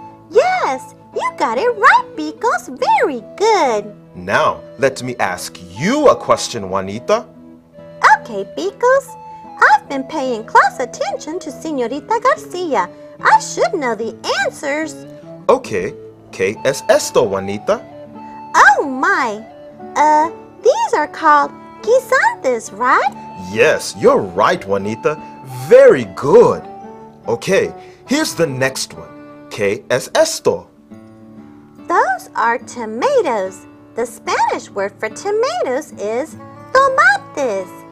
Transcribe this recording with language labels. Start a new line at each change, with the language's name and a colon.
English: Yes, you got it right, Picos. Very good. Now, let me ask you a question, Juanita. Okay, Picos. I've been paying close attention to Señorita Garcia. I should know the answers. Okay,
Spanish: ¿qué es esto,
English: Juanita? Oh my! These are called guisantes, right? Yes, you're right, Juanita. Very good. Okay, here's the next one.
Spanish: ¿Qué es esto?
English: Those are tomatoes. The Spanish word for tomatoes is tomates.